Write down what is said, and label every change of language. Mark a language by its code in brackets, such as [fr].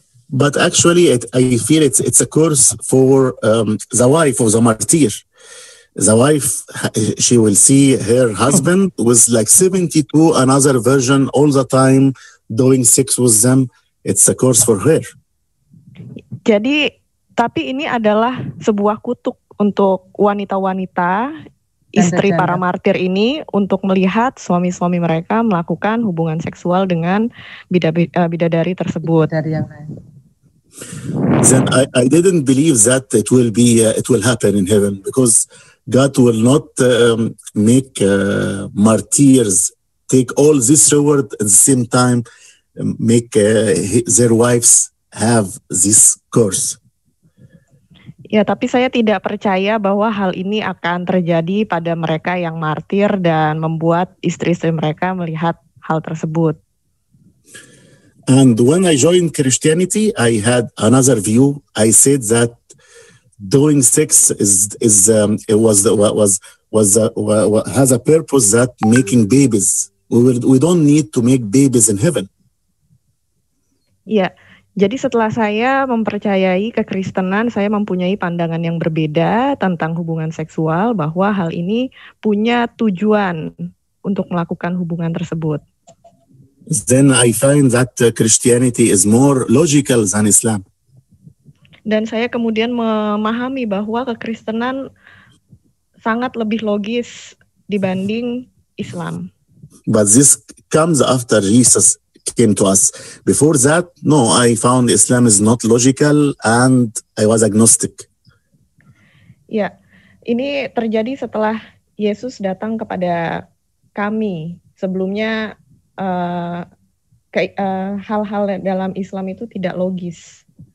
[en] But actually, I feel it's a curse for the wife of the martyr. The wife, she will see her husband with like 72 another version all the time doing sex with them. It's a curse for her. [id] Jadi, tapi ini adalah sebuah kutuk untuk wanita-wanita, istri para martir ini, untuk melihat suami-suami mereka melakukan hubungan seksual dengan bidadari tersebut. [en] Then I didn't believe that it will be it will happen in heaven, because God will not make martyrs take all this reward at the same time. Make their wives have this curse. [id] Ya, tapi saya tidak percaya bahwa hal ini akan terjadi pada mereka yang martir dan membuat istri-istri mereka melihat hal tersebut. [en] And when I joined Christianity, I had another view. I said that doing sex has a purpose that making babies. We don't need to make babies in heaven. [id] Ya, jadi setelah saya mempercayai kekristenan, saya mempunyai pandangan yang berbeda tentang hubungan seksual, bahwa hal ini punya tujuan untuk melakukan hubungan tersebut. [en] Then I find that Christianity is more logical than Islam. [id] Dan saya kemudian memahami bahwa kekristenan sangat lebih logis dibanding Islam. [en] But this comes after Jesus came to us. Before that, no, I found Islam is not logical and I was agnostic. [id] Ya, ini terjadi setelah Yesus datang kepada kami. Sebelumnya hal-hal dalam Islam itu tidak logis.